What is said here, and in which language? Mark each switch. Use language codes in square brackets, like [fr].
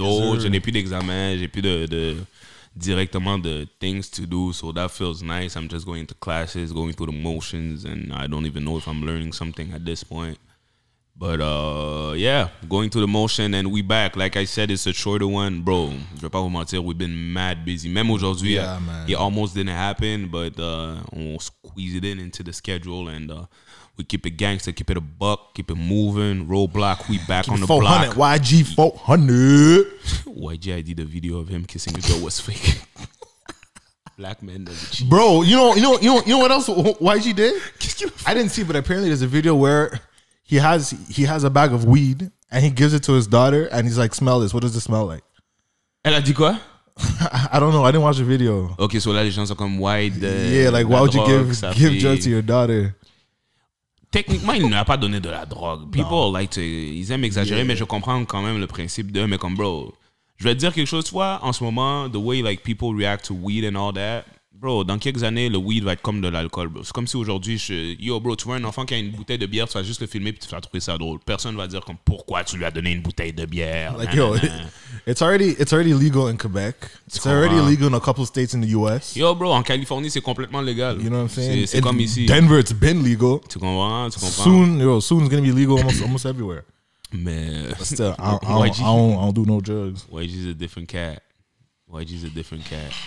[fr] No, je n'ai plus d'examen, j'ai plus de... [en] Directement the things to do, so that feels nice. I'm just going to classes, going through the motions, and I don't even know if I'm learning something at this point. But yeah, going through the motion, and we back. Like I said, it's a shorter one, bro. [fr] Je vais pas vous mentir, [en] we've been mad busy. [fr] Même aujourd'hui, [en] yeah, man. It almost didn't happen, but we'll squeeze it in into the schedule, and we keep it gangster, keep it a buck, keep it moving. Roadblock, we back keep on the 400, block. YG 400. YG, I did a video of him kissing a girl was fake. Black man doesn't cheat. Bro, you know what else YG did? I didn't see, but apparently there's a video where he has a bag of weed and he gives it to his daughter and he's like, smell this. What does it smell like? [fr] Elle a dit quoi? [en] I don't know. I didn't watch the video. [fr] Okay, so là les gens sont comme wide. [en] Yeah, like why would you give drugs to your daughter? [fr] Techniquement, il ne a pas donné de la drogue. [en] People like to, [fr] ils aiment exagérer, yeah. Mais je comprends quand même le principe de, mais comme bro, je vais te dire quelque chose, toi, en ce moment, [en] the way like people react to weed and all that, [fr] bro, dans quelques années, le weed va être comme de l'alcool, bro. C'est comme si aujourd'hui, yo bro, tu vois un enfant qui a une bouteille de bière, tu vas juste le filmer puis tu vas trouver ça drôle. Personne va dire comme, pourquoi tu lui as donné une bouteille de bière? [en] Like, yo, it's already legal in Quebec. It's already legal in a couple states in the US. [fr] Yo bro, en Californie, c'est complètement légal. [en] You know what I'm saying? [fr] C'est comme ici. [en] Denver, it's been legal. [fr] Tu comprends? [en] Soon it's going to be legal almost everywhere. [fr] Mais [en] still, I don't do no drugs. YG's a different cat. YG's a different cat.